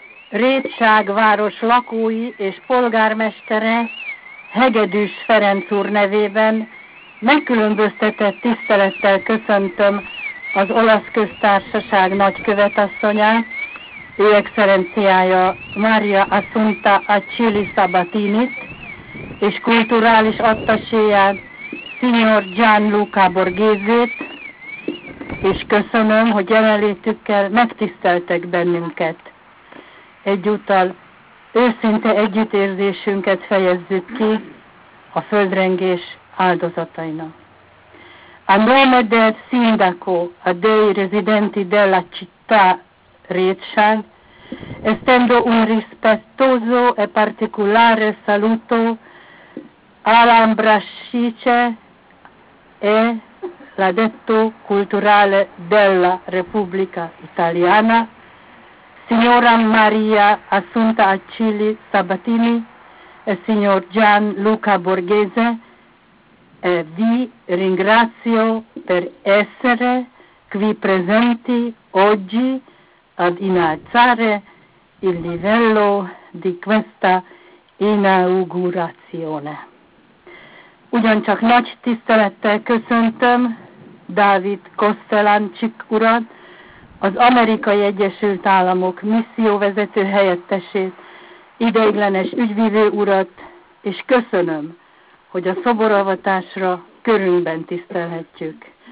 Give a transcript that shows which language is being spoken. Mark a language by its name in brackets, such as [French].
[Hungarian] Rétságváros lakói és polgármestere Hegedűs Ferenc úr nevében megkülönböztetett tisztelettel köszöntöm az Olasz Köztársaság nagykövetasszonyát, ő excellenciája Mária Assunta Acili Sabatinit, és kulturális attaséját, Signor Gianluca Borghese-t, és köszönöm, hogy jelenlétükkel megtiszteltek bennünket. Egyúttal őszinte együttérzésünket fejezzük ki a földrengés áldozatainak. [Italian] A nome del sindaco a dei residenti della città Rétság, estendo un rispettoso e particolare saluto all'ambasciatrice e l'addetto culturale della Repubblica Italiana, signora Maria Assunta Acili Sabatini, signor Gianluca Borghese, vi ringrazio per essere qui presenti oggi ad innalzare il livello di questa inaugurazione. [Hungarian] Ugyancsak nagy tisztelettel köszöntöm Dávid Kosztelancsik urat, az Amerikai Egyesült Államok misszióvezető helyettesét, ideiglenes ügyvivő urat, és köszönöm, hogy a szoboravatásra körünkben tisztelhetjük.